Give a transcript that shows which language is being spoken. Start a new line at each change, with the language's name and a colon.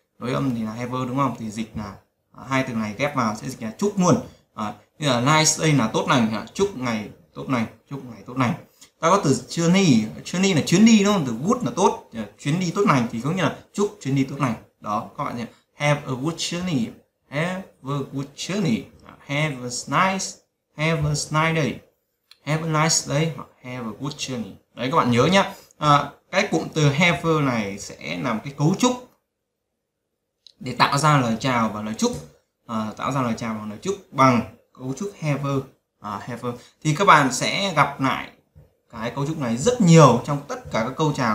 Vietnamese: Nối âm thì là have a, đúng không? Thì dịch là hai từ này ghép vào sẽ dịch là chúc luôn. Như là nice day là tốt lành, chúc ngày tốt lành, chúc ngày tốt lành. Ta có từ journey, journey là chuyến đi, đúng không? Từ good là tốt, chuyến đi tốt lành thì có nghĩa là chúc chuyến đi tốt lành. đó các bạn nhé.
English: Have a good journey, have a good journey, have a nice day, have a nice day, have a good journey.
Vietnamese: Đấy các bạn nhớ nhá. Cái cụm từ have này sẽ làm cái cấu trúc để tạo ra lời chào và lời chúc, tạo ra lời chào và lời chúc bằng cấu trúc have. Have a. Thì các bạn sẽ gặp lại cái cấu trúc này rất nhiều trong tất cả các câu chào.